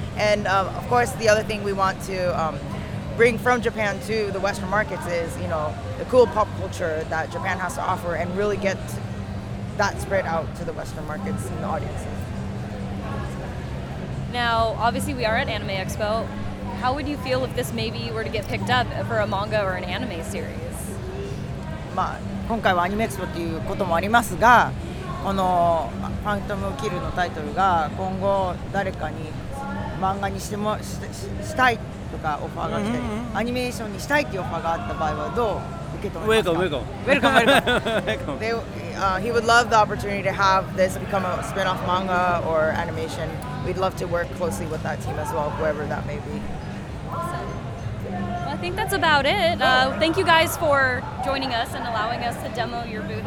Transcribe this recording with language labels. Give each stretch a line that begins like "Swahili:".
English: And, of course, the other thing we want to bring from Japan to the Western markets is, you know, the cool pop culture that Japan has to offer and really get that spread out to the Western markets and the audiences. Now, obviously, we are at Anime Expo. How would you feel if this maybe were to get picked up for a manga or an anime series? Ma.
Japanese: 今回はアニメエクスポということもありますがこのファントム・キルのタイトルが今後誰かに漫画にしてもしたいとかオファーが来たり、アニメーションにしたいっていうオファーがあった場合はどう受け止めますか？
English: Welcome. He would love the opportunity to have this become a spin-off manga or animation. We'd love to work closely with that team as well, whoever that may be. Awesome. Well, I think that's about it. Thank you guys for joining us and allowing us to demo your booth.